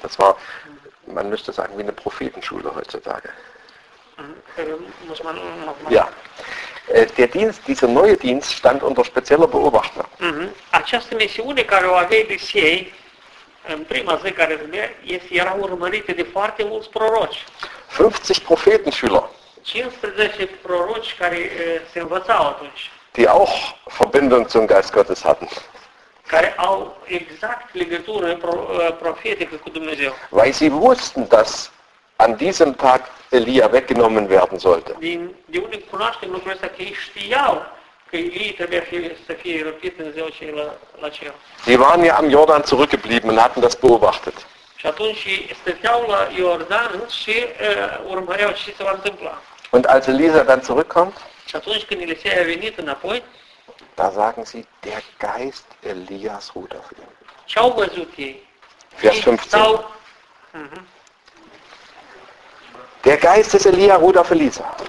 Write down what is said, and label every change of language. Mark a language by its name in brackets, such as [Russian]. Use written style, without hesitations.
[German] Das war, man müsste sagen, wie eine Prophetenschule heutzutage. Muss man nochmal. Ja. Der Dienst, dieser neue Dienst, stand unter spezieller Beobachtung. [Romanian] Această misiune care o avea Elisei În prima zi care vine, erau urmărite de foarte mulți proroci. [German] 50 Prophetenschüler. [Romanian] 15 proroci care se învățau atunci. [German] Die auch Verbindung zum Geist Gottes hatten. [Romanian] Care au exact legătură profetică cu Dumnezeu. [German] Weil sie wussten, dass an diesem Tag Elia weggenommen werden sollte. [Romanian] Die unii cunoaștem lucrul ăsta, că ei știau că Elia trebuia să fie răpit în ziua cei la cer. [German] Die waren ja am Jordan zurückgeblieben und hatten das beobachtet. [Romanian] Și atunci stăteau la Iordan și urmăreau ce se va întâmpla. [German] Und als Elisa dann zurückkommt, [Romanian] și atunci când Elisa a venit înapoi, [German] da sagen sie, der Geist Elias ruht auf ihm. [Romanian] Ce-au văzut ei? [German] Vers 15. Der Geist des Elia ruht auf Elisa.